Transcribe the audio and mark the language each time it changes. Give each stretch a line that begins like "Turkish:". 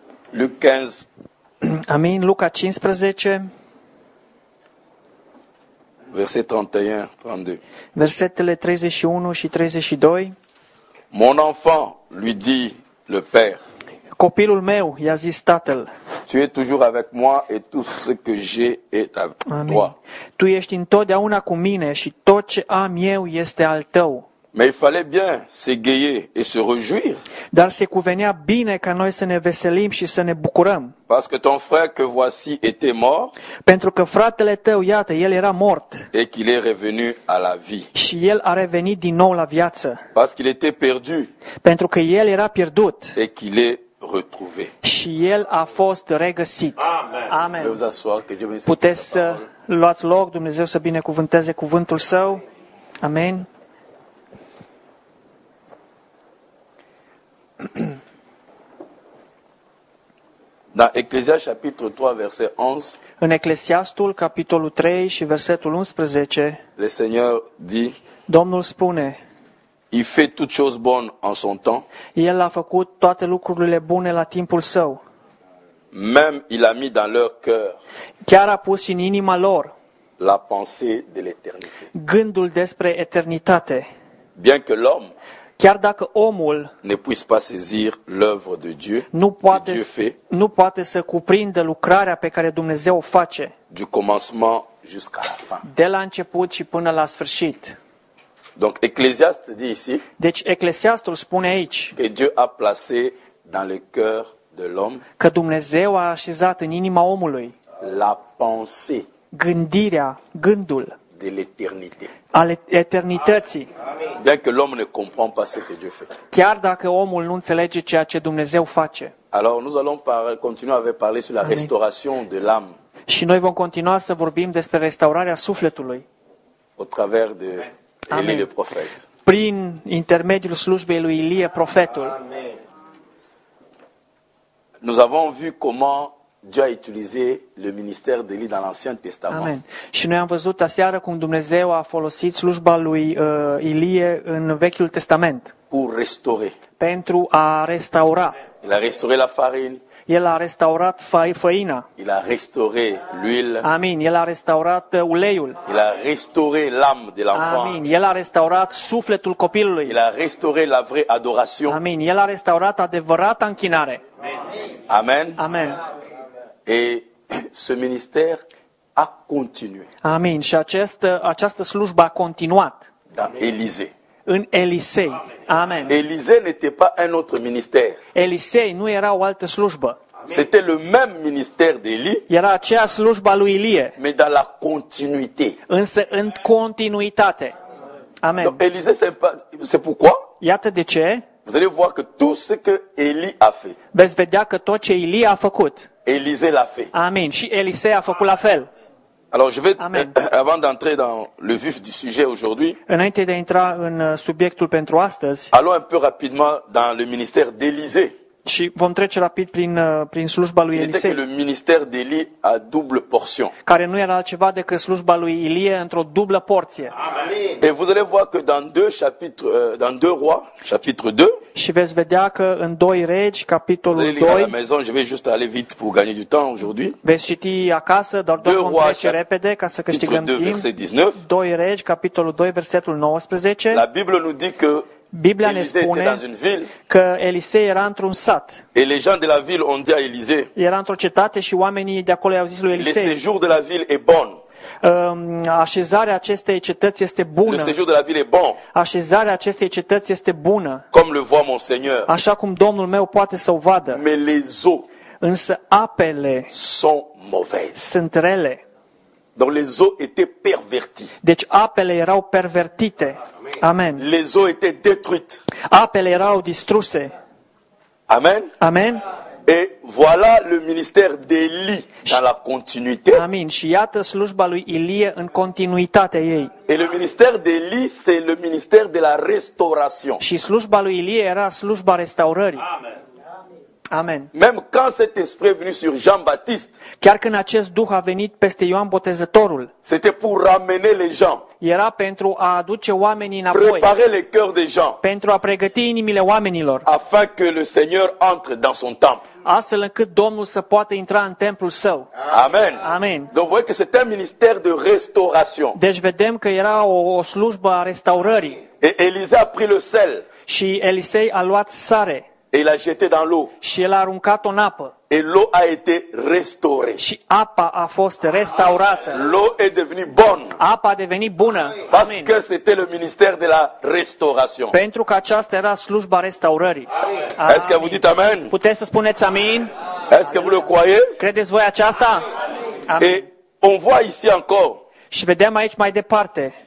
French: Luc 15.
Romanian: Amin, Luca 15,
French: verset 31-32.
Romanian: Versetele 31 și 32.
French: Mon enfant, lui dit le père.
Romanian: Copilul meu, i-a zis tatăl.
French: Tu es toujours avec moi et tout ce que j'ai est à toi.
Romanian: Tu ești întotdeauna cu mine și tot ce am eu este al tău.
French: Mais il fallait bien s'égayer et se réjouir.
Romanian: Dar se cuvenea bine ca noi să ne veselim și să ne bucurăm.
French: Parce que ton frère que voici était mort.
Romanian: Pentru că fratele tău, iată, el era mort.
French: Et qu'il est revenu à la vie.
Romanian: Și el a revenit din nou la viață.
French: Parce qu'il était perdu.
Romanian: Pentru că el era pierdut.
French: Et qu'il est retrouvé.
Romanian: Și el a fost regăsit. Amen. Amen. Vă asoar că Dumnezeu să puteți să luați loc, Dumnezeu să binecuvânteze cuvântul său. Amen.
French: Dans Ecclésiaste chapitre 3 verset 11.
Romanian: În Eclesiastul capitolul 3 și versetul 11.
French: Le Seigneur dit.
Romanian: Domnul spune.
French: Il fait toutes choses bonnes en son temps.
Romanian: El a făcut toate lucrurile bune la timpul său.
French: Même il a mis dans leur cœur.
Romanian: Chiar a pus în inima lor.
French: La pensée de l'éternité.
Romanian: Gândul despre eternitate.
French: Bien que l'homme.
Romanian: Chiar dacă omul
French: ne puisse pas saisir l'œuvre de Dieu,
Romanian: nu poate să cuprindă lucrarea pe care Dumnezeu o face.
French: Du commencement jusqu'à la fin.
Romanian: De la început și până la sfârșit.
French: Donc Ecclésiaste dit ici.
Romanian: Deci Eclesiastul spune aici.
French: Que Dieu a placé dans le cœur de l'homme.
Romanian: Că Dumnezeu a așezat în inima omului.
French: La pensée.
Romanian: gândirea, gândul
French: de l'éternité.
Romanian: Al eternității.
French: Bien que l'homme ne comprend pas ce que Dieu fait.
Romanian: Chiar dacă omul nu înțelege ceea ce Dumnezeu face.
French: Alors nous allons continuer à parler sur la restauration de l'âme.
Romanian: Și noi vom continua să vorbim despre restaurarea sufletului.
French: Au travers de Elie le prophète.
Romanian: Prin intermediul slujbei lui Ilie profetul.
French: Nous avons vu comment Dieu a utilisé le ministère d'Elie dans l'Ancien Testament. Amen.
Romanian: Și noi am văzut aseară cum Dumnezeu a folosit slujba lui Ilie în Vechiul Testament.
French: Pour restaurer.
Romanian: Pentru a restaura.
French: Il a restauré la farine.
Romanian: El a restaurat făina.
French: Il a restauré l'huile.
Romanian: Amin. El a restaurat uleiul.
French: Il a restauré l'âme de l'enfant.
Romanian: Amin. El a restaurat sufletul copilului.
French: Il a restauré la vraie adoration.
Romanian: Amin. El a restaurat adevărata închinare. Amen. Amen.
French: Et ce ministère a continué.
Romanian: Amin. Și această slujbă a continuat.
French: Dans Élisée.
Romanian: În Elisei. Amen.
French: Élisée n'était pas un autre ministère.
Romanian: Elisei nu era o altă slujbă.
French: C'était le même ministère d'Élie.
Romanian: Era aceeași slujba lui Ilie.
French: Mais dans la continuité.
Romanian: Însă în continuitate. Amen.
French: Donc Élisée c'est pourquoi?
Romanian: Iată de ce.
French: Vous allez voir que tout ce que Élie a fait.
Romanian: Veți vedea că tot ce Ilie a făcut.
French: Élisée l'a fait.
Romanian: Amen. Și Elisei a făcut la fel.
French: Alors je vais avant d'entrer dans le vif du sujet aujourd'hui.
Romanian: Înainte de a intra în subiectul pentru astăzi.
French: Allons un peu rapidement dans le ministère d'Élisée.
Romanian: Și vom trece rapid prin slujba lui Elisei.
French: C'était que le ministère d'Élie a double portion.
Romanian: Care nu era altceva decât slujba lui Ilie într-o dublă porție.
French: Amen. Et vous allez voir que dans deux rois, chapitre 2.
Romanian: Și veți vedea că în 2 Regi, capitolul 2.
French: Vous allez lire à la maison, je vais juste aller vite pour gagner du temps aujourd'hui.
Romanian: Veți citi acasă, dar doar vom trece repede ca să câștigăm timp. 2 Regi, capitolul 2, versetul 19.
French: La Bible nous dit que
Romanian: Biblia ne spune că Elisei era într-un sat.
French: Et les gens de la ville ont dit à Élisée.
Romanian: Era într-o cetate și oamenii de acolo i-au zis lui Elisei.
French: Le séjour de la ville est bon.
Romanian: Așezarea acestei cetăți este bună.
French: Le séjour de la ville est bon.
Romanian: Așezarea acestei cetăți este bună.
French: Comme le voit mon Seigneur.
Romanian: Așa cum Domnul meu poate să o vadă.
French: Mais les eaux.
Romanian: Însă apele
French: sont mauvaises.
Romanian: Sunt rele.
French: Donc les eaux étaient perverties.
Romanian: Deci apele erau pervertite. Amen.
French: Les eaux étaient détruites.
Romanian: Apele erau distruse. Amen. Amen.
French: Et voilà le ministère d'Élie dans la continuité. Amen.
Romanian: Și iată slujba lui Ilie în continuitatea ei.
French: Et le ministère d'Élie, c'est le ministère de la restauration.
Romanian: Și slujba lui Ilie era slujba restaurării. Amen.
French: Même quand cet esprit est venu sur Jean-Baptiste.
Romanian: Chiar când acest duh a venit peste Ioan Botezătorul.
French: C'était pour ramener les gens.
Romanian: Era pentru a aduce oamenii înapoi.
French: Préparer les cœurs des gens.
Romanian: Pentru a pregăti inimile oamenilor.
French: Afin que le Seigneur entre dans son temple.
Romanian: Astfel încât Domnul să poată intra în templul său. Amen. Amen.
French: Donc voyez que c'est un ministère de restauration.
Romanian: Deci vedem că era o slujbă a restaurării.
French: Et Élisée a pris le sel.
Romanian: Și Elisei a luat sare.
French: Et il a jeté dans l'eau.
Romanian: Și el a aruncat-o în apă.
French: Et l'eau a été restaurée.
Romanian: Și apa a fost restaurată.
French: L'eau est devenue bonne.
Romanian: Apa a devenit bună.
French: Parce Amen. Que c'était le ministère de la restauration.
Romanian: Pentru că aceasta era slujba restaurării.
French: Amen. Est-ce que vous dites amen?
Romanian: Puteți să spuneți amin?
French: Est-ce que vous le croyez?
Romanian: Credeți voi aceasta?
French: Amen. Et on voit ici encore.
Romanian: Și vedem aici mai departe.